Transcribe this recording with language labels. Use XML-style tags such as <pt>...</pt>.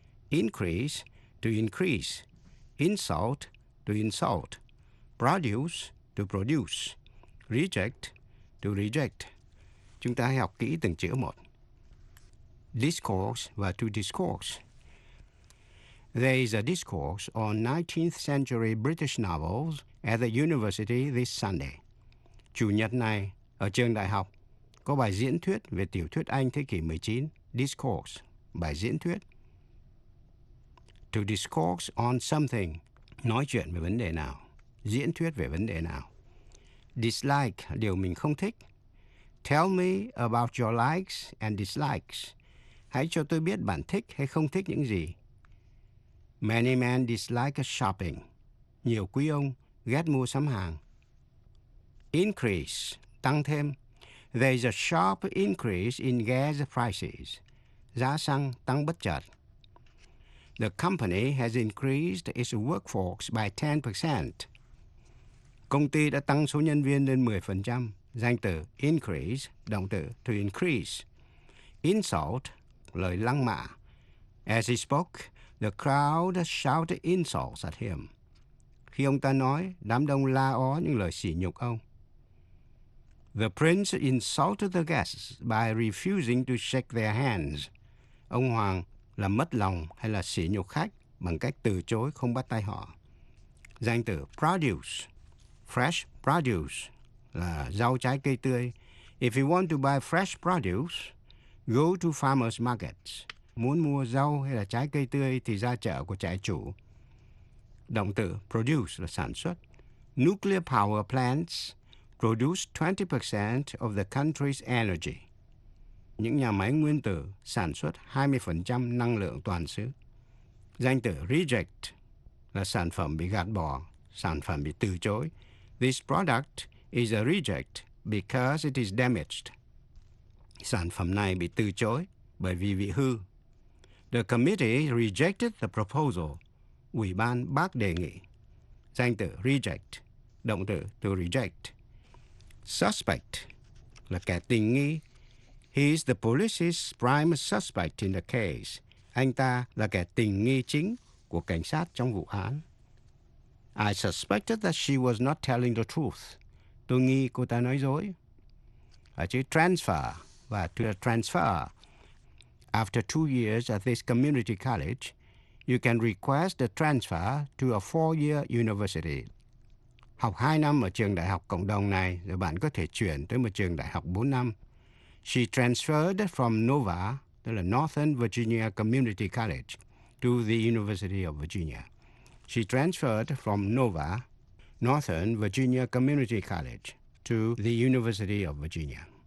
<en>Increase, to increase. Insult, to insult. Produce, to produce. Reject, to reject.</en> <vi>Chúng ta hãy học kỹ từng chữ một. Discourse và</vi> <en>to discourse. There is a discourse on 19th century British novels at the university this Sunday.</en> <vi>Chủ nhật này, ở trường đại học, có bài diễn thuyết về tiểu thuyết Anh thế kỷ 19. Discourse, bài diễn thuyết.</vi> <en>To discourse on something,</en> <vi>nói chuyện về vấn đề nào, diễn thuyết về vấn đề nào.</vi> <en>Dislike,</en> <vi>điều mình không thích.</vi> <en>Tell me about your likes and dislikes.</en> <vi>Hãy cho tôi biết bạn thích hay không thích những gì.</vi> <en>Many men dislike shopping.</en> <vi>Nhiều quý ông ghét mua sắm hàng. Increase, tăng thêm.</vi> <en>There is a sharp increase in gas prices.</en> <vi>Giá xăng tăng bất chợt.</vi> <en>The company has increased its workforce by 10%.</en> <vi>Công ty đã tăng số nhân viên lên 10%. Danh từ increase, động từ to increase. Insult, lời lăng mạ.</vi> <en>As he spoke, the crowd shouted insults at him.</en> <vi>Khi ông ta nói, đám đông la ó những lời sỉ nhục ông.</vi> <en>The prince insulted the guests by refusing to shake their hands.</en> <vi>Ông hoàng làm mất lòng hay là sỉ nhục khách bằng cách từ chối không bắt tay họ. Danh từ produce, fresh produce, là rau trái cây tươi.</vi> <en>If you want to buy fresh produce, go to farmers markets.</en> <vi>Muốn mua rau hay là trái cây tươi thì ra chợ của trại chủ. Động từ produce là sản xuất.</vi> <en>Nuclear power plants produce 20% of the country's energy.</en> <vi>Những nhà máy nguyên tử sản xuất 20% năng lượng toàn xứ. Danh từ reject là sản phẩm bị gạt bỏ, sản phẩm bị từ chối.</vi> <en>This product is a reject because it is damaged.</en> <vi>Sản phẩm này bị từ chối bởi vì bị hư.</vi> <en>The committee rejected the proposal.</en> <vi>Ủy ban bác đề nghị. Danh từ reject, động từ to reject. Suspect là kẻ tình nghi.</vi> <en>He is the police's prime suspect in the case.</en> <vi>Anh ta là kẻ tình nghi chính của cảnh sát trong vụ án.</vi> <en>I suspected that she was not telling the truth.</en> <vi>Tôi nghi cô ta nói dối. Ở chữ transfer và to transfer.</vi> <en>After 2 years at this community college, you can request a transfer to a 4-year university.</en> <vi>Học 2 năm ở trường đại học cộng đồng này, rồi bạn có thể chuyển tới một trường đại học 4 năm.</vi> <en>She transferred from NOVA,</en> <vi>tức là</vi> <en>Northern Virginia Community College, to the University of Virginia. She transferred from NOVA, Northern Virginia Community College, to the University of Virginia.</en>